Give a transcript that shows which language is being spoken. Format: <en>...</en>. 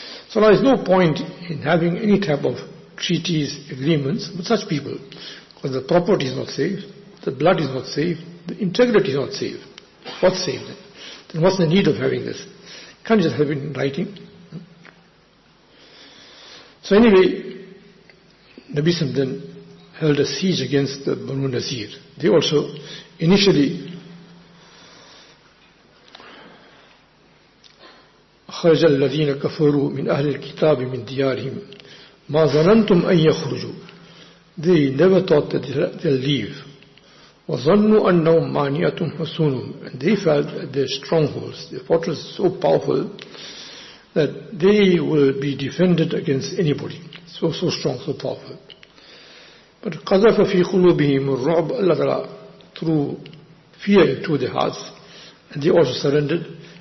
<en>So there is no point in having any type of treaties, agreements with such people, because the property is not safe, the blood is not safe, the integrity is not safe. What's safe then? Then what's the need of having this? Can't you just have it in writing? So anyway, Nabi Sam then held a siege against the Banu Nazir. They also initially</en> <ar>خرج الذين كفروا من أهل الكتاب من ديارهم ما ظننتم أن يخرجوا.</ar> <en>They never thought that they'll leave.</en> <ar>وظنوا أنهم مانعتهم حصونهم.</ar> <en>And they felt that their strongholds, their fortress so powerful that they will be defended against anybody. So strong, so powerful. But</en> <ar>قذف في قلوبهم الرعب الذي</ar> <en>threw fear into their hearts, and they also surrendered.</en>